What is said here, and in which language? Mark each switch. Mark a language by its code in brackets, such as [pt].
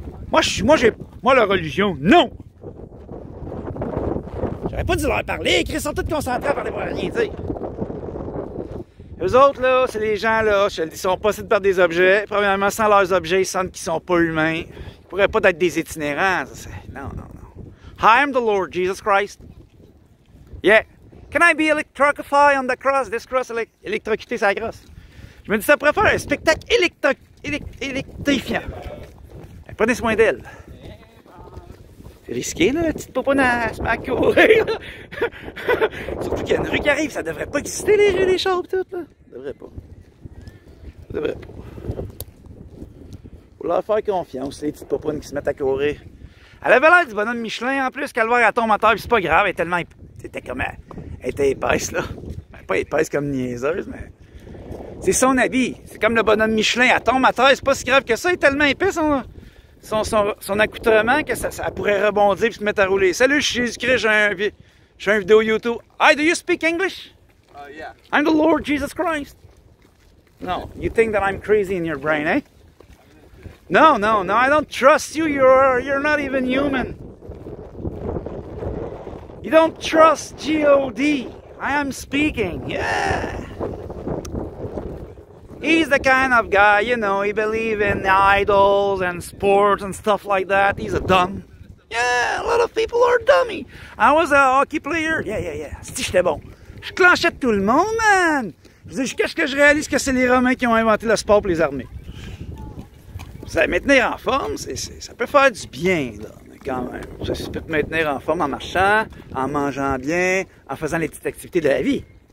[fr] Moi, la religion, non. J'aurais pas dû leur parler. Ils sont tous concentrés à parler pour rien, tu sais. Eux autres, là, c'est les gens, là, ils sont possédés par des objets. Premièrement, sans leurs objets, ils sentent qu'ils sont pas humains. Ils pourraient pas être des itinérants. Ça, non, non, non. [en] I am the Lord, Jesus Christ. Yeah. Can I be electrocuted on the cross? This cross, [fr] électrocuté, c'est la crosse. Je me dis, ça pourrait faire un spectacle électrifiant. Prenez soin d'elle. C'est risqué, là, la petite poponasse, ma courée, là. Surtout qu'il y a une rue qui arrive, ça devrait pas exister, les rues, les chambres, tout, là. Ça devrait pas. Ça devrait pas. Faut leur faire confiance, les petites poponnes qui se mettent à courir. Elle avait l'air du bonhomme Michelin, en plus, calvaire, elle tombe à terre, pis c'est pas grave, elle est tellement... C'était comme... Elle était épaisse, là. Pas épaisse comme niaiseuse, mais... C'est son habit. C'est comme le bonhomme Michelin. Elle tombe à terre. C'est pas si grave que ça. Elle est tellement épais, son accoutrement, que ça pourrait rebondir et se mettre à rouler. Salut, je suis Jésus-Christ. J'ai un vidéo YouTube. [en] Hey, do you speak English? Yeah. I'm the Lord Jesus Christ. No, you think that I'm crazy in your brain, eh? No, no, no. I don't trust you. You're not even human. You don't trust G-O-D. I am speaking. Yeah. He's the kind of guy, you know, he believes in idols and sports and stuff like that. He's a dumb. Yeah, a lot of people are dummy. I was a hockey player. Yeah, yeah, yeah. [fr] Si j'étais bon. Je clenchais tout le monde, man. Jusqu'à ce que je réalise que c'est les Romains qui ont inventé le sport pour les armées. Ça maintenir en forme, ça peut faire du bien, là. Quand même. Ça peut te maintenir en forme en marchant, en mangeant bien, en faisant les petites activités de la vie.